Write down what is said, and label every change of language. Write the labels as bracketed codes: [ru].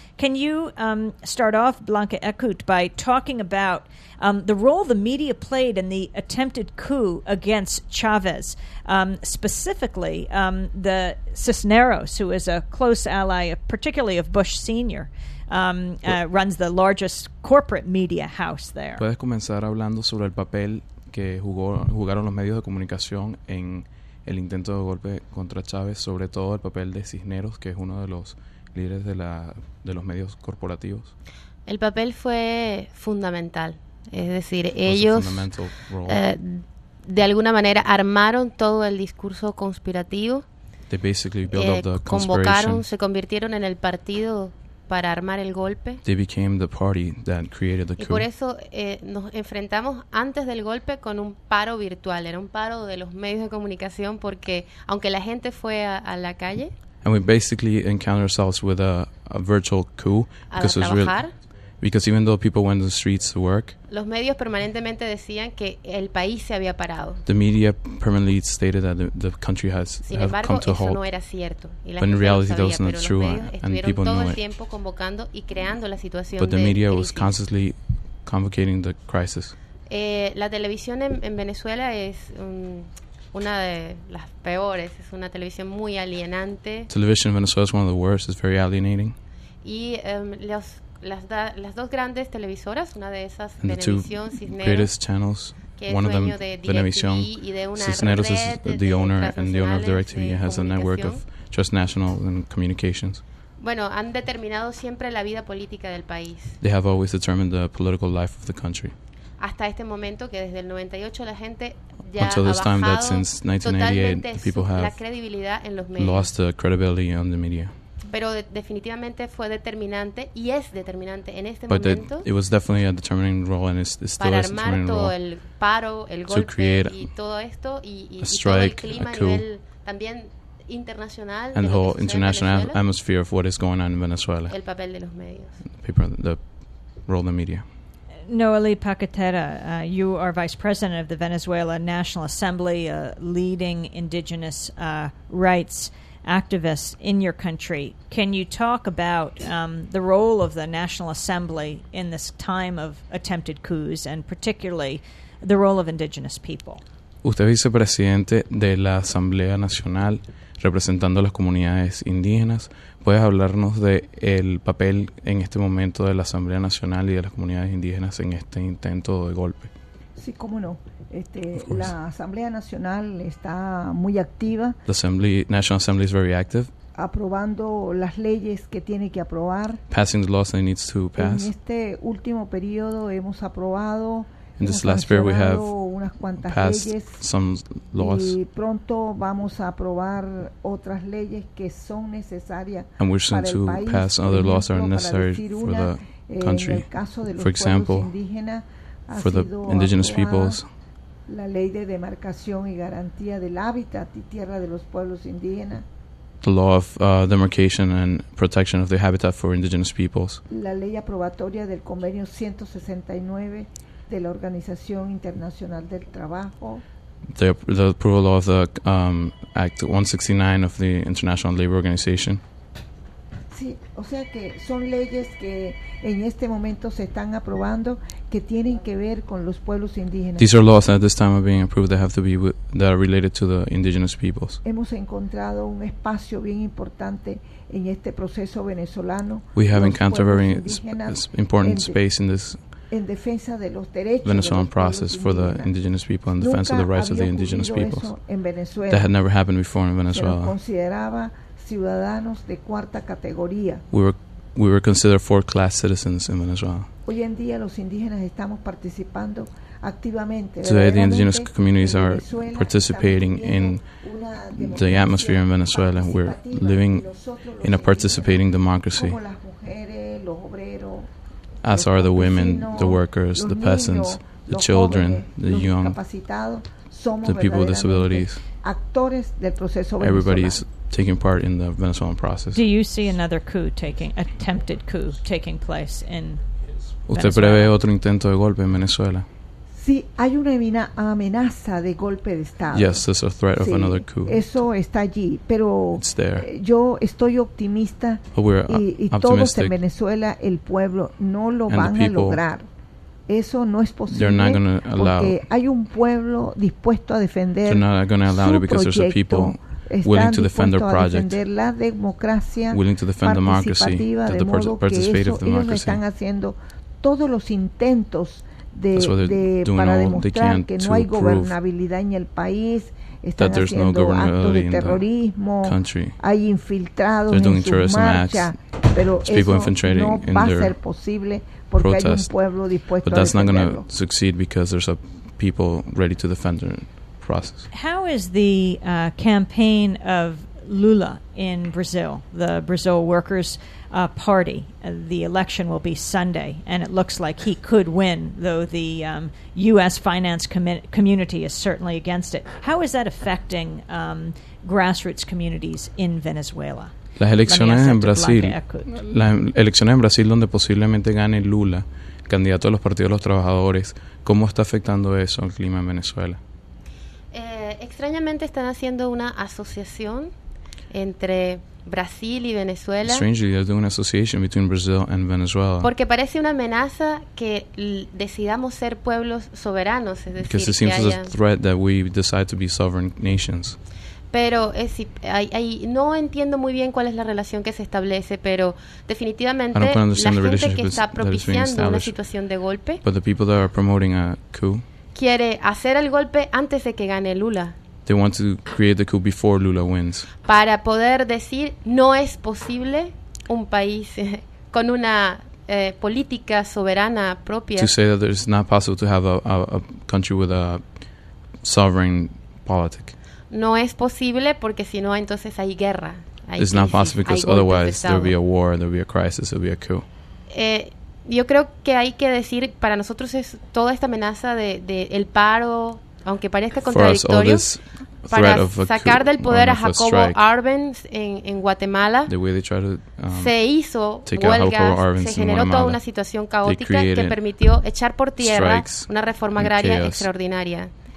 [en] Can you start off, Blanca Ecut, by talking about the role the media played in the attempted coup against Chavez, specifically the Cisneros, who is a close ally, particularly of Bush Sr., runs the largest corporate media house there. [es] Puedes comenzar hablando sobre el papel que jugaron los medios de comunicación en el intento de golpe contra Chávez, sobre todo el papel de Cisneros, que es uno de los líderes de los medios corporativos. El papel fue fundamental, es decir, ellos de alguna manera armaron todo el discurso conspirativo. [en] They basically built up the conspiracy. [es] Convocaron, se convirtieron en el partido para armar el golpe. [en] They became the party that created the coup. [es] Y por eso nos enfrentamos antes del golpe con un paro virtual. Era un paro de los medios de comunicación porque aunque la gente fue a la calle. [en] And we basically encountered ourselves with a virtual coup because it was real. Because even though people went to the streets to work, [es] los medios permanentemente decían que el país se había parado. [en] The media permanently stated that the country has [es] Sin embargo, [en] come to a halt. [es] Eso no era cierto. Y la [en] but in reality, [es] sabía, [en] that was not true, and people knew it. [es] Convocando y creando la situación [en] but the [es] de [en] media crisis. Was constantly convocating the crisis. [es] La televisión en Venezuela es una de las peores. Es una televisión muy alienante. [en] Television in Venezuela is one of the worst. It's very alienating. [es] Y las dos grandes televisoras, una de esas, [en] Venevisión, Cisneros, channels, [es] que es dueño de Venevisión, Cisneros red, [en] is the owner and the owner of DirecTV has a network of Trust National and Communications. [es] Bueno, han determinado siempre la vida política del país. [en] They have always determined the political life of the country. [es] Hasta este momento, que desde el 98 la gente ya [en] until this [es] ha [en] time that since 1988 people have lost the credibility on the media. [es] Pero definitivamente fue determinante y es determinante en este [en] but [es] momento. [en] But it was definitely a determining role and it still is a determining role. [es] Para armar todo el paro, el golpe y todo esto y [en] strike, [es] todo el clima [en] a coup, [es] a nivel también internacional. [en] And the whole international atmosphere of what is going on in Venezuela. [es] El papel de los medios. [en] The role of the media. Noelie Pacatera, you are vice president of the Venezuela National Assembly, a leading indigenous rights activists in your country. Can you talk about the role of the National Assembly in this time of attempted coups and particularly the role of indigenous people? [es] Usted vicepresidente de la Asamblea Nacional representando a las comunidades indígenas, ¿puedes hablarnos de el papel en este momento de la Asamblea Nacional y de las comunidades indígenas en este intento de golpe? Sí, cómo no. La Asamblea Nacional está muy activa. [en] The Assembly, National Assembly is very active. [es] Aprobando las leyes que tiene que aprobar. [en] Passing the laws that it needs to pass. [es] En este último periodo hemos aprobado [en] in this last period we have [es] unas cuantas [en] passed [es] leyes, [en] some laws. [es] Y pronto vamos a aprobar otras leyes que son necesarias [en] and we're soon [es] para [en] to [es] el país. [en] Pass other laws that are necessary for the country. [es] En el caso de los [en] for example, [es] pueblos indígenas, [en] for the indigenous peoples, [es] la ley de demarcación y garantía del hábitat y tierra de los pueblos indígenas, [en] the law of demarcation and protection of the habitat for indigenous peoples, [es] la ley aprobatoria del convenio 169 de la Organización Internacional del Trabajo, [en] the approval of the act 169 of the International Labor Organization. [es] Sí, O sea que son leyes que en este momento se están aprobando que tienen que ver con los pueblos indígenas. [en] These are laws that at this time are being approved that have to be that are related to the indigenous peoples. [es] Hemos encontrado un espacio bien importante en este proceso venezolano. [en] We have encountered a very important space in this [es] en defensa de los derechos [en] Venezuelan process for the indigenous people in defense of the rights of the indigenous peoples. That had never happened before in Venezuela. [es] Consideraba ciudadanos de cuarta categoría. [en] We were considered fourth class citizens in Venezuela. [es] Hoy en día los indígenas estamos participando activamente. [en] Today the indigenous communities are participating in the atmosphere in Venezuela. We're living in a participating democracy. [es] Como las mujeres, los obreros, [en] as are the women, the workers, the peasants, the children, the young, the people with disabilities. Everybody is taking part in the Venezuelan process. Do you see another coup taking, attempted coup taking place in Venezuela? [es] ¿Usted prevé otro intento de golpe en Venezuela? Sí, hay una amenaza de golpe de Estado. [en] Yes, there's a threat of another coup. [es] Eso está allí, pero [en] it's there. [es] Yo estoy optimista y todos en Venezuela, el pueblo, no lo van a lograr. Eso no es posible. [en] They're not gonna allow, [es] porque hay un pueblo dispuesto a defender su proyecto. [en] They're not going to allow it because there's a people willing to defend their project, [es] la democracia, [en] willing to defend democracy, the participative democracy. [es] Ellos están haciendo todos los intentos de para demostrar que no hay gobernabilidad en el país, están haciendo actos de terrorismo, hay infiltrados en sus marchas, pero eso no va a ser posible porque hay un pueblo dispuesto a defenderlo. [en] But that's not going to succeed because there's a people ready to defend their process. How is the campaign of Lula in Brazil, the Brazil Workers Party? The election will be Sunday, and it looks like he could win, though the U.S. finance community is certainly against it. How is that affecting grassroots communities in Venezuela? [es] Las elecciones en Brasil, las elecciones en Brasil donde posiblemente gane Lula, candidato a los partidos de los trabajadores, ¿cómo está afectando eso al clima en Venezuela? Extrañamente están haciendo una asociación entre Brasil y Venezuela. [en] Strangely, they're doing an association between Brazil and Venezuela. [es] Porque parece una amenaza que decidamos ser pueblos soberanos, es decir, [en] because it seems as a threat that we decide to be sovereign nations. [es] Pero hay, no entiendo muy bien cuál es la relación que se establece, pero definitivamente la gente que está propiciando una situación de golpe, [en] but the people that are promoting a coup, [es] quiere hacer el golpe antes de que gane Lula. [en] They want to create the coup before Lula wins. [es] Para poder decir no es posible un país con una política soberana propia. [en] To say that it's not possible to have a country with a sovereign politic. [es] No es posible porque si no entonces hay guerra. Hay [en] it's not possible because otherwise there will be a war, there will be a crisis, there will be a coup. [es] Yo creo que hay que decir, para nosotros es toda esta amenaza de el paro, aunque parezca contradictorio, para sacar del poder a Jacobo Arbenz en Guatemala, se hizo huelga, se generó toda una situación caótica que permitió echar por tierra una reforma agraria extraordinaria.